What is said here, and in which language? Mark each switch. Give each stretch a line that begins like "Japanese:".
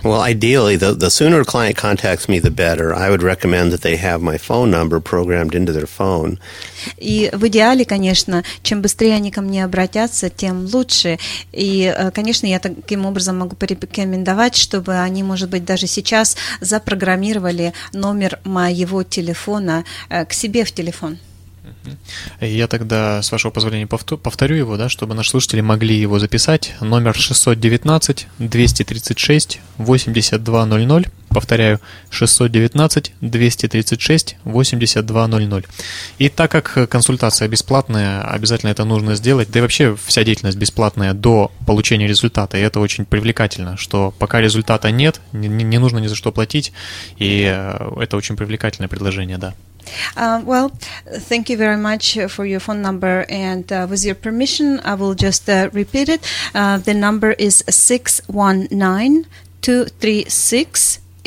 English: Well, ideally, the sooner a client contacts me, the better. I would recommend that they have my phone number programmed into their phone.
Russian: И в идеале, конечно, чем быстрее они ко мне обратятся, тем лучше. И, конечно, я таким образом могу порекомендовать, чтобы они, может быть, даже сейчас запрограммировали номер моего телефона к себе в телефон. Я тогда, с вашего позволения, повторю его, да, чтобы наши слушатели могли его записать. Номер 619-236-8200. Повторяю, 619-236-8200. И так как консультация бесплатная, обязательно это нужно сделать. Да и вообще вся деятельность бесплатная до получения результата. И это очень привлекательно, что пока результата нет, не нужно ни за что платить. И это очень привлекательное предложение, да.
English: Well, thank you very much for your phone number, and with your permission, I will just repeat it. The number is 619-236-8200.